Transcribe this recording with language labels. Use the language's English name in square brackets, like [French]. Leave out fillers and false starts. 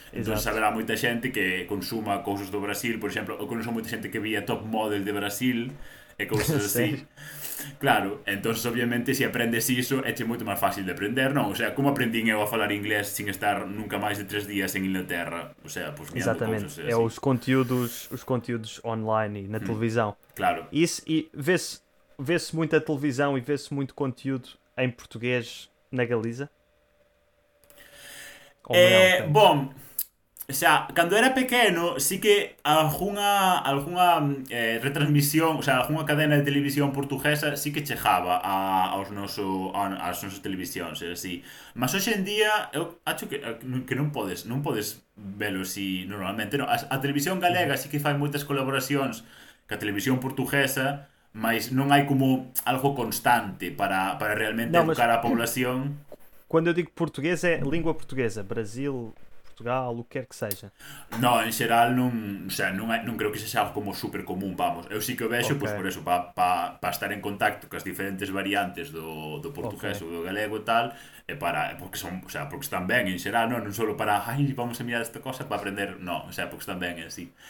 [Galician] Entón, saberá moita xente que consuma cousas do Brasil, por exemplo, eu conheço moita xente que via Top Model de Brasil e cousas así. Sí. Claro, entón, obviamente, se aprendes iso, éche moito máis fácil de aprender, non? O sea, como aprendín eu a falar inglés sin estar nunca máis de 3 días en Inglaterra? O sea, pues, [Portuguese] exatamente, é assim. os conteúdos online e na televisão. Claro. Isso, e vê-se muita televisão e vê-se muito conteúdo em português na Galiza? [Galician] Bom, o sea, cando era pequeno, sí que alguna retransmisión, o sea, alguna cadena de televisión portuguesa sí que chejaba as nosas televisións, así. Mas hoxe en día, eu acho que non podes velo así normalmente. No, a televisión galega sí que fai moitas colaboracións ca televisión portuguesa, mas non hai como algo constante para realmente educar a población. [Portuguese] Quando eu digo português, é língua portuguesa. Brasil, Portugal, o que quer que seja. Não, em geral, não creio que seja algo como super comum, vamos. Eu sim que o vejo, pois por isso, para estar em contacto com as diferentes variantes do português ou do galego e tal, e para, porque são, ou seja, porque estão bem, em geral, não só para, ai, vamos a mirar esta coisa para aprender, não, ou seja, porque estão bem, é assim.